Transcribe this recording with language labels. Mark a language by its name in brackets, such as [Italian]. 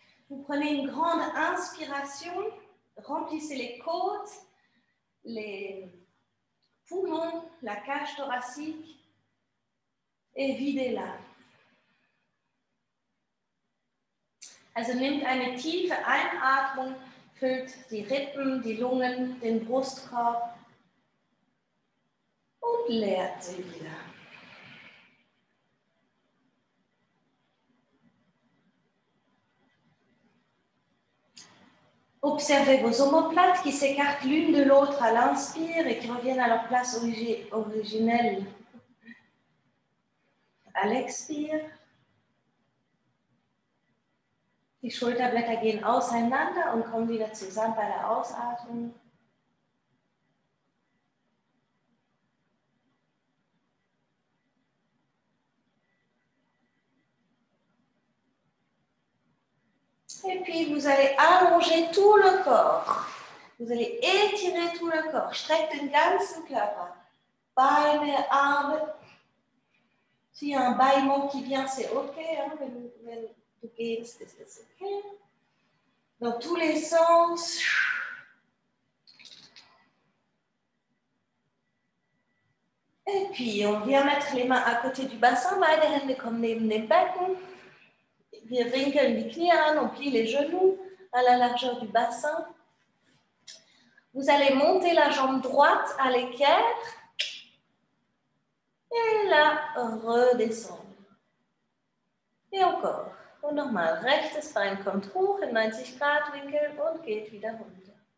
[French] Vous prenez une grande inspiration, remplissez les côtes, les poumons, la cage thoracique et videz-la. [German] Also nehmt eine tiefe Einatmung, füllt die Rippen, die Lungen, den Brustkorb und leert sie wieder. [French] Observez vos omoplates qui s'écartent l'une de l'autre à l'inspire et qui reviennent à leur place originelle à l'expire. [German] Die Schulterblätter gehen auseinander und kommen wieder zusammen bei der Ausatmung. [French] Et puis, vous allez allonger tout le corps. Vous allez étirer tout le corps. [German] Streckt den ganzen Körper. Beine, Arme. [French] S'il y a un bâillement qui vient, c'est OK. Hein? [German] Wenn du gehst, ist es OK. [French] Dans tous les sens. Et puis, on vient mettre les mains à côté du bassin. [German] Beide Hände kommen neben dem Becken. Wir winkeln die Knie an, [French] on plie les genoux à la largeur du bassin. Vous allez monter la jambe droite à l'équerre et la redescendre. Et encore, au normal, [German] rechtes Bein kommt hoch in 90 Grad Winkel und geht wieder runter.